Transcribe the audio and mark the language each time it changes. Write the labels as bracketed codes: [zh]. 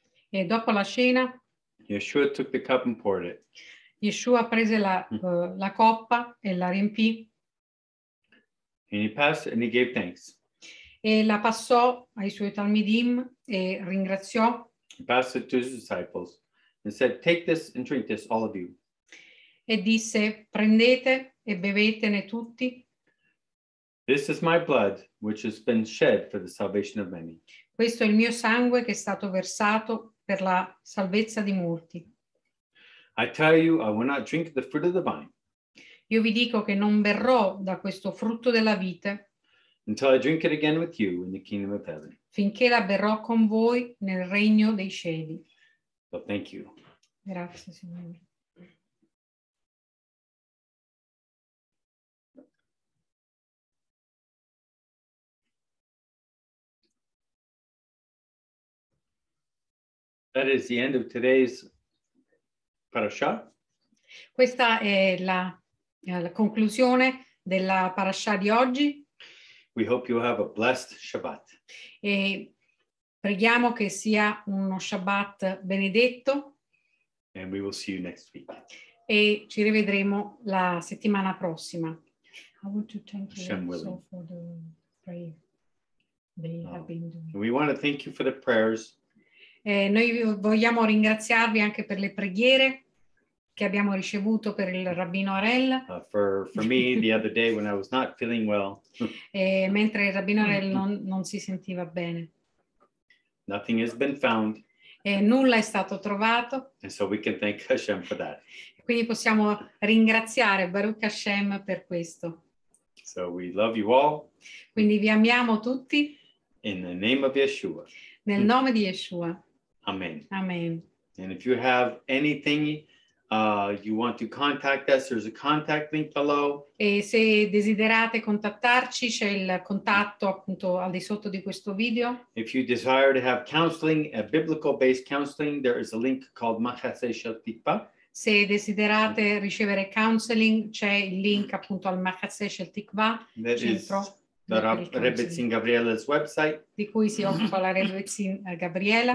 [it] e dopo la cena, [en] Yeshua took the cup and poured it. [it] Yeshua prese la coppa e la riempì. [en] And he passed and he gave thanks. [it] E la passò ai suoi talmidim e ringraziò. [en] He passed it to his disciples and said, "Take this and drink this, all of you." [it] E disse, prendete e bevetene tutti. [en] This is my blood, which has been shed for the salvation of many. [it] Questo è il mio sangue che è stato versato per la salvezza di molti. [en] I tell you, I will not drink the fruit of the vine. [it] Io vi dico che non berrò da questo frutto della vite. [en] Until I drink it again with you in the kingdom of heaven. [it] Finché la berrò con voi nel regno dei cieli. [en] So thank you. [it] Grazie, Signore. [en] That is the end of today's parasha. [it] Questa è la conclusione della parasha di oggi. [en] We hope you have a blessed Shabbat. [it] E preghiamo che sia uno Shabbat benedetto. [en] And we will see you next week. [it] E ci rivedremo la settimana prossima. [en] I want to thank you Shem also willing. For the prayer they have been doing. We want to thank you for the prayers. [it] Noi vogliamo ringraziarvi anche per le preghiere che abbiamo ricevuto per il Rabbino Harel. [en] For me, the other day when I was not feeling well. [it] Mentre il Rabbino Harel non si sentiva bene. [en] Nothing has been found. [it] Nulla è stato trovato. [en] And so we can thank Hashem for that. [it] Quindi possiamo ringraziare Baruch Hashem per questo. [en] So we love you all. [it] Quindi vi amiamo tutti. [en] In the name of Yeshua. [it] Nel nome di Yeshua. [en] Amen. [it] Amen. [en] And if you have anything you want to contact us, there's a contact link below. [it] E se desiderate contattarci, c'è il contatto appunto al di sotto di questo video. [en] If you desire to have counseling, a biblical-based counseling, there is a link called Machaseh Shel Tikva. [it] Se desiderate ricevere counseling, c'è il link appunto al Machaseh Shel Tikva. [en] The Rebbetzin Gabriella's website. [it] Di cui si occupa la Rebbetzin Gabriella.